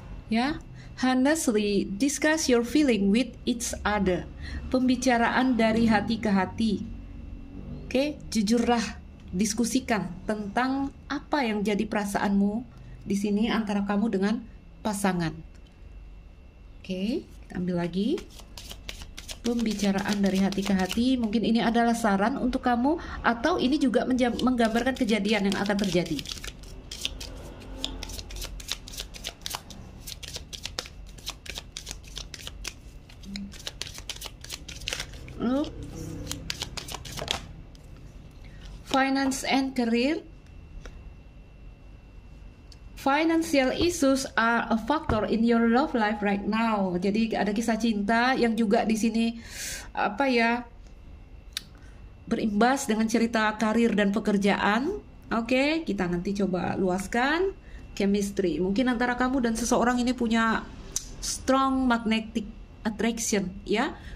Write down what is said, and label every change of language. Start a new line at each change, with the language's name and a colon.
English: Ya, honestly discuss your feeling with each other.
Indonesian: Pembicaraan dari hati ke hati. Oke, jujurlah, diskusikan tentang apa yang jadi perasaanmu di sini antara kamu dengan pasangan. Oke, kita ambil lagi. Pembicaraan dari hati ke hati, mungkin ini adalah saran untuk kamu, atau ini juga menggambarkan kejadian yang akan terjadi.
English: Finance and career. Financial issues are a factor in your love life right now.
Indonesian: Jadi ada kisah cinta yang juga di sini apa ya, berimbas dengan cerita karir dan pekerjaan. Oke, kita nanti coba luaskan chemistry. Mungkin antara kamu dan seseorang ini punya
English: strong magnetic attraction,
Indonesian: ya.